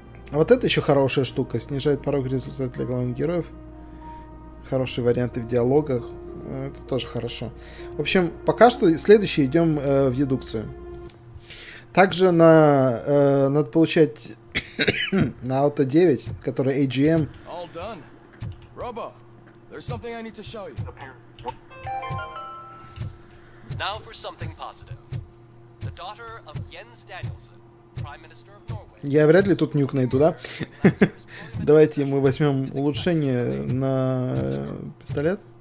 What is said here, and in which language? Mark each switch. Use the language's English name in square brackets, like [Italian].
[Russian] А вот это еще хорошая штука, снижает порог результата для главных героев. Хорошие варианты в диалогах. Это тоже хорошо. В общем, пока что следующий идем в дедукцию. Также на надо получать на Auto 9, который AGM. [English] All done. Robo, there's something I need to show you. Now for something positive. The daughter of Jens Danielsen, prime minister of Norway. [Russian] Я вряд ли тут нюк найду, да? Давайте мы возьмем улучшение на пистолет.